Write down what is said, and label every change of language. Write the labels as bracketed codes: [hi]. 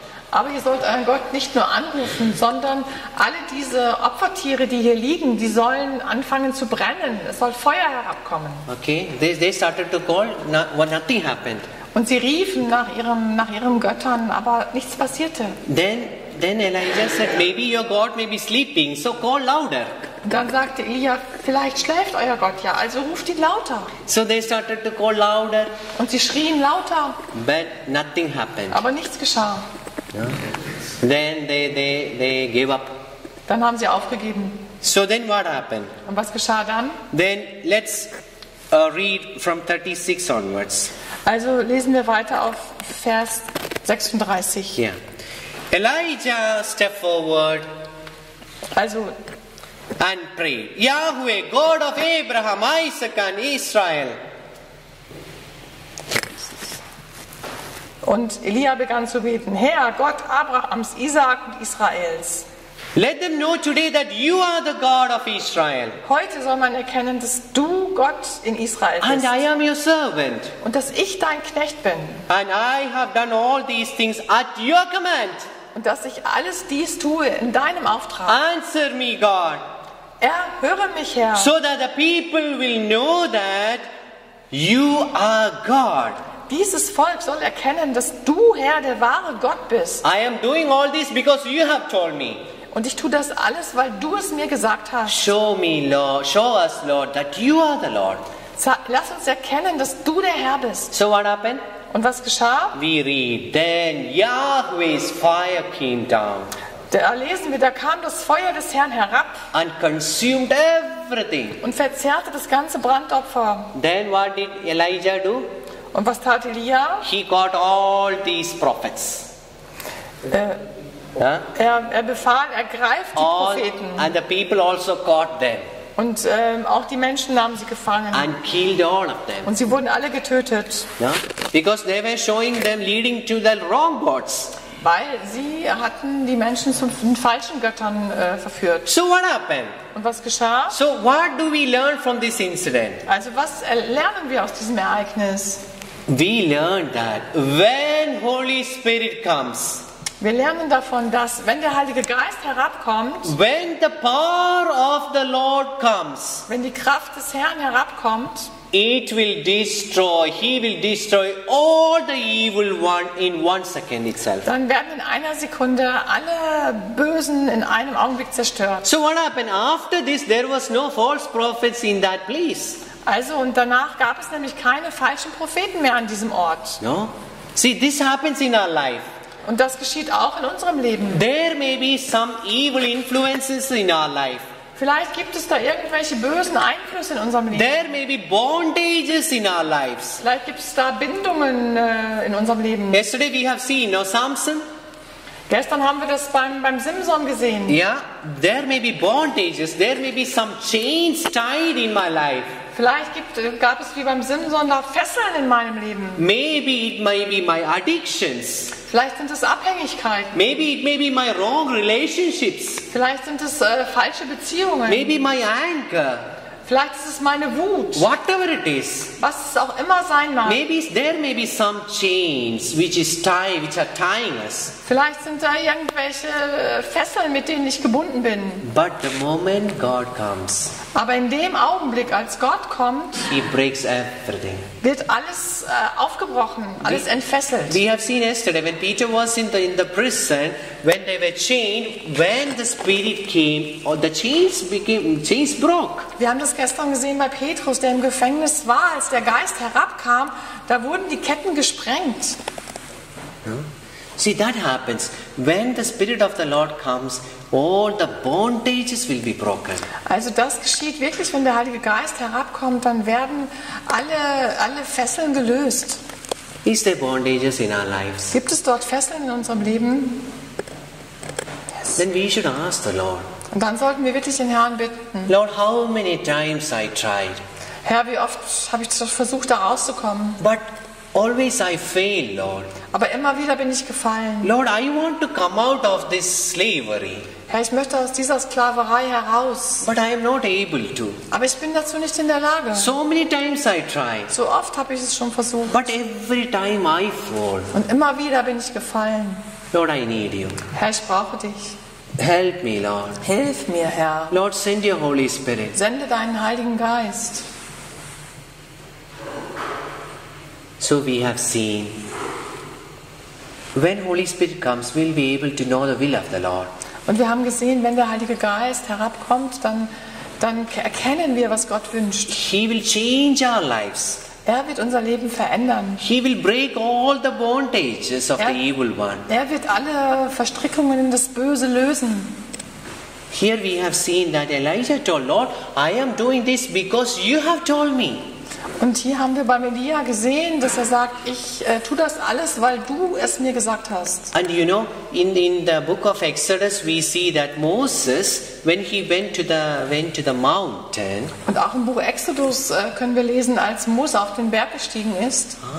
[de] Aber ihr sollt euren Gott nicht nur anrufen, sondern alle diese Opfertiere, die hier liegen, die sollen anfangen zu brennen. Es soll Feuer herabkommen. [en] Okay, they started to call, nothing happened. [de] Und sie riefen nach ihren Göttern, aber nichts passierte. [en] Then Elijah said, maybe your God may be sleeping, so call louder. [de] Dann sagte Elia, vielleicht schläft euer Gott ja, also ruft ihn lauter. [en] So they started to call louder. [de] Und sie schrien lauter. [en] But nothing happened. [de] Aber nichts geschah. [en] Yeah. Then they gave up. [de] Dann haben sie aufgegeben. [en] So then what happened? [de] Und was geschah dann? [en] Then let's read from 36 onwards. [de] Also lesen wir weiter auf Vers 36. [en] Yeah. Elijah stepped forward. [de] Also [en] and prayed, Yahweh, God of Abraham, Isaac and Israel. [de] Und Elia begann zu beten, Herr, Gott Abrahams, Isaak und Israels. [en] Let them know today that you are the God of Israel. [de] Heute soll man erkennen, dass du Gott in Israel bist. [en] And I am your servant. [de] Und dass ich dein Knecht bin. [en] And I have done all these things at your command. [de] Und dass ich alles dies tue in deinem Auftrag. [en] Answer me, God. [de] Höre mich, Herr. [en] So that the people will know that you are God. [de] Dieses Volk soll erkennen, dass du, Herr, der wahre Gott bist. [en] I am doing all this because you have told me. [de] Und ich tue das alles, weil du es mir gesagt hast. [en] Show me, Lord. Show us, Lord, that you are the Lord. [de] Lass uns erkennen, dass du der Herr bist. [en] So what happened? [de] Und was geschah? [en] We read, then Yahweh's fire came down. [de] Da lesen wir, da kam das Feuer des Herrn herab. [en] And consumed everything. [de] Und verzehrte das ganze Brandopfer. [en] Then what did Elijah do? [de] Und was tat Elia? [en] He got all these prophets. [de] Er befahl, er greift die [en] all, [de] Propheten. [en] And the people also caught them. [de] Und auch die Menschen nahmen sie gefangen. [en] And killed all of them. [de] Und sie wurden alle getötet. [en] Yeah? Because they were showing them leading to the wrong gods. [de] Weil sie hatten die Menschen zu den falschen Göttern verführt. [en] So what happened? [de] Und was geschah? [en] So what do we learn from this incident? [de] Also was lernen wir aus diesem Ereignis? [en] We learn that when Holy Spirit comes. [de] Wir lernen davon, dass wenn der Heilige Geist herabkommt. [en] When the power of the Lord comes. [de] Wenn die Kraft des Herrn herabkommt. [en] It will destroy. He will destroy all the evil one in one second itself. [de] Dann werden in einer Sekunde alle Bösen in einem Augenblick zerstört. [en] So what happened after this? There was no false prophets in that place. [de] Also und danach gab es nämlich keine falschen Propheten mehr an diesem Ort. [en] No. See, this happens in our life. [de] Und das geschieht auch in unserem Leben. [en] There may be some evil influences in our life. [de] Vielleicht gibt es da irgendwelche bösen Einflüsse in unserem Leben. [en] There may be bondages in our lives. [de] Vielleicht gibt es da Bindungen in unserem Leben. [en] Yesterday we have seen, Samson. [de] Gestern haben wir das beim Simson gesehen. [en] Yeah, there may be bondages. There may be some chains tied in my life. [de] Vielleicht gab es wie beim Simson da Fesseln in meinem Leben. [en] Maybe it may be my addictions. [de] Vielleicht sind es Abhängigkeiten. [en] Maybe it may be my wrong relationships. [de] Vielleicht sind es falsche Beziehungen. [en] Maybe my anger. [de] Vielleicht ist es meine Wut. [en] Whatever it is. [de] Was es auch immer sein mag. [en] Maybe there may be some chains which is tie, which are tying us. [de] Vielleicht sind da irgendwelche Fesseln, mit denen ich gebunden bin. [en] But the moment God comes. [de] Aber in dem Augenblick, als Gott kommt, [en] he breaks everything. [de] Wird alles aufgebrochen, alles entfesselt. [en] We have seen yesterday when Peter was in the prison, when they were chained, when the Spirit came, the chains broke. [de] Wir haben das gestern gesehen bei Petrus, der im Gefängnis war, als der Geist herabkam, da wurden die Ketten gesprengt. [en] See, that happens when the Spirit of the Lord comes. All the bondages will be broken. [de] Also das geschieht wirklich, wenn der Heilige Geist herabkommt, dann werden alle Fesseln gelöst. [en] Is there bondages in our lives? [de] Gibt es dort Fesseln in unserem Leben? [en] Yes. Then we should ask the Lord. [de] Und dann sollten wir wirklich den Herrn bitten. [en] Lord, how many times I tried? [de] Herr, wie oft habe ich versucht, da rauszukommen? [en] But always I fail, Lord. [de] Aber immer wieder bin ich gefallen. [en] Lord, I want to come out of this slavery. [de] Herr, ich möchte aus dieser Sklaverei heraus. [en] But I am not able to. [de] Aber ich bin dazu nicht in der Lage. [en] So many times I try. [de] So oft habe ich es schon versucht. [en] But every time I fall. [de] Und immer wieder bin ich gefallen. [en] Lord, I need you. [de] Herr, ich brauche dich. [en] Help me, Lord. [de] Hilf mir, Herr. [en] Lord, send your Holy Spirit. [de] Sende deinen Heiligen Geist. [en] So we have seen. When Holy Spirit comes, we'll be able to know the will of the Lord. [de] Und wir haben gesehen, wenn der Heilige Geist herabkommt, dann erkennen wir, was Gott wünscht. [en] He will change our lives. [de] Er wird unser Leben verändern. [en] He will break all the bondages of the evil one. [de] Er wird alle Verstrickungen in das Böse lösen. [en] Here we have seen that Elijah told Lord, I am doing this because you have told me. [de] Und hier haben wir bei Elia gesehen, dass er sagt, ich tue das alles, weil du es mir gesagt hast. [en] And you know, in the book of Exodus we see that Moses, when he went to the mountain. [de] Und auch im Buch Exodus können wir lesen, als Mose auf den Berg gestiegen ist.